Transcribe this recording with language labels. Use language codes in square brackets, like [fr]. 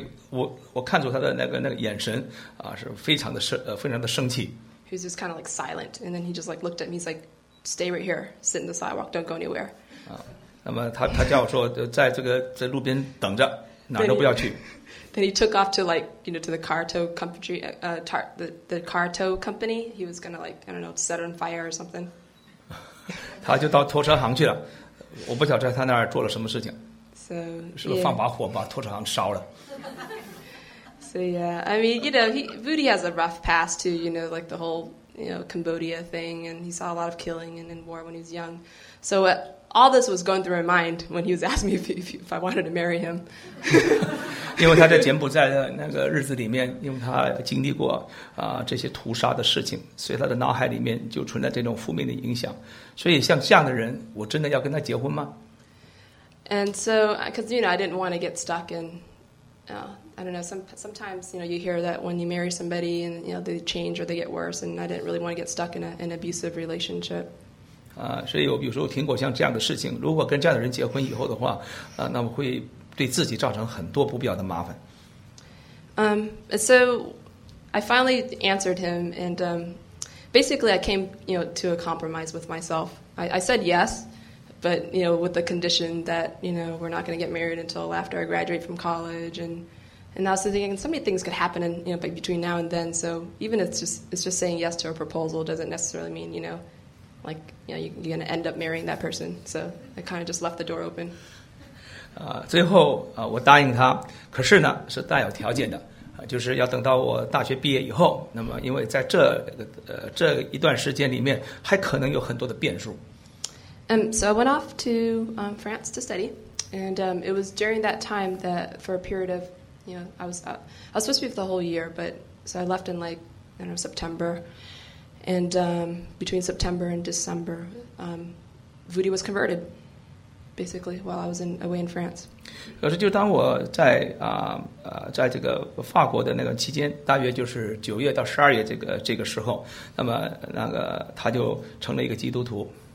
[zh] 我看出他的那个眼神是非常的生气。 [en] He was just kind of like silent, and then he just like looked at me. He's like, "Stay right here, sit in the sidewalk, don't go anywhere." [zh] 那么他叫我说，在这个在路边等着。哪都不要去。 [en] Then he took off to like, you know, to the car tow company, the car tow company. He was gonna like, I don't know, set on fire or something. [zh] 他就到拖车行去了。我不晓得他那儿做了什么事情。 [en] So, [zh] 是不是放把火把拖车行烧了 [en] ？So yeah, I mean, you know, Vudi has a rough past too. You know, like the whole Cambodia thing, and he saw a lot of killing and in war when he was young. So all this was going through my mind when he was asking me if I wanted to marry him. [zh] 因为他在柬埔寨的那个日子里面，因为他经历过这些屠杀的事情，所以他的脑海里面就存在这种负面的影响。所以像这样的人，我真的要跟他结婚吗？ [en] And so, because I didn't want to get stuck in, I don't know. Sometimes you hear that when you marry somebody and they change or they get worse, and I didn't really want to get stuck in an abusive relationship. [zh] 所以我有时候听过像这样的事情，如果跟这样的人结婚以后的话，那么会。对自己造成很多不必要的麻烦。 [en] So I finally answered him, and basically I came, to a compromise with myself. I said yes, but with the condition that we're not going to get married until after I graduate from college, and I was thinking so many things could happen, and between now and then. So even it's just saying yes to a proposal doesn't necessarily mean you're going to end up marrying that person. So I kind of just left the door open. [zh] 最后我答应他，可是呢是带有条件的，就是要等到我大学毕业以后，那么因为在这一段时间里面还可能有很多的变数。 [en] So I went off to France to study, and it was during that time that for a period of I was supposed to be for the whole year, but so I left in September, and between September and December, Vudi was converted. Basically, while I was away in France. [zh] 可是就当我在在这个法国的那个期间，大约就是九月到十二月这个时候，那么那个他就成了一个基督徒。